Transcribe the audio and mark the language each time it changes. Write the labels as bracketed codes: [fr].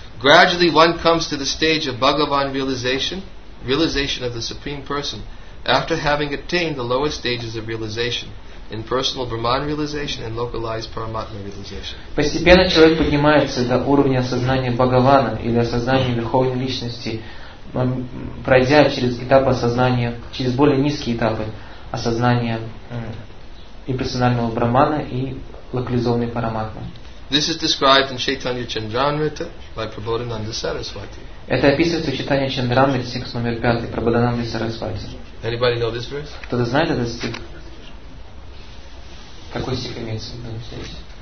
[en] Gradually one comes to the stage of Bhagavan realization of the Supreme Person, after having attained the lower stages of realization, impersonal Brahman realization and localized Paramatma realization. [ru] Постепенно человек поднимается до уровня осознания Бхагавана или осознания Верховной Личности, пройдя через этапы осознания, через более низкие этапы осознания имперсонального брахмана и локализованной параматмы. [en] This is described in Chaitanya Chandramrita by Prabodhananda Saraswati. [ru] Это описывается в Чайтанья Чандрамрите, текст номер 5, Прабодхананда Сарасвати. [en] Anybody know this verse? [ru] Кто-то знает этот стих? Какой стих имеется в виду здесь?